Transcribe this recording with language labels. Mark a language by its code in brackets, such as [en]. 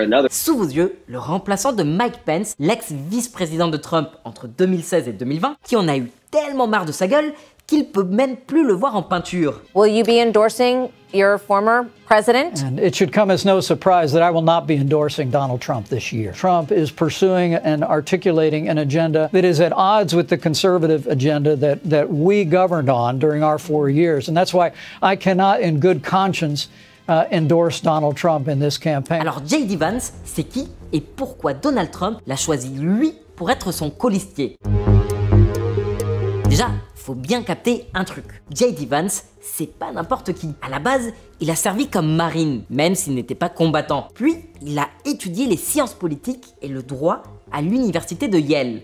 [fr] Sous vos yeux, le remplaçant de Mike Pence, l'ex-vice-président de Trump entre 2016 et 2020, qui en a eu tellement marre de sa gueule qu'il peut même plus le voir en peinture. [en] Will you be endorsing your former president? And it should come as no surprise that I will not be endorsing Donald Trump this year. Trump is pursuing and articulating an agenda that is at odds with the conservative agenda that we governed on during our 4 years. And that's why I cannot in good conscience endorse Donald Trump in this campaign. [fr] Alors J.D. Vance, c'est qui et pourquoi Donald Trump l'a choisi lui pour être son colistier? Déjà, faut bien capter un truc. J.D. Vance, c'est pas n'importe qui. À la base, il a servi comme marine, même s'il n'était pas combattant. Puis, il a étudié les sciences politiques et le droit à l'université de Yale.